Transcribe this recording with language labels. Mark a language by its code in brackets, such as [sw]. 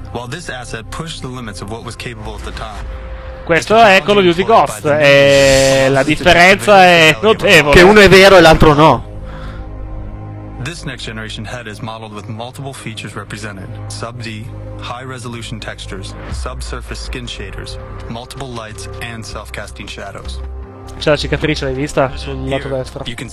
[en] While this asset pushed the limits of what was capable at the time. [it] Questo è Call of Duty Ghost e la differenza è notevole. Che uno è vero e l'altro no. [en] This next generation head is modeled with multiple features represented: sub-D, high resolution textures, subsurface skin shaders, multiple lights and self-casting shadows. [it] C'è la cicatrice, l'hai vista sul lato destro.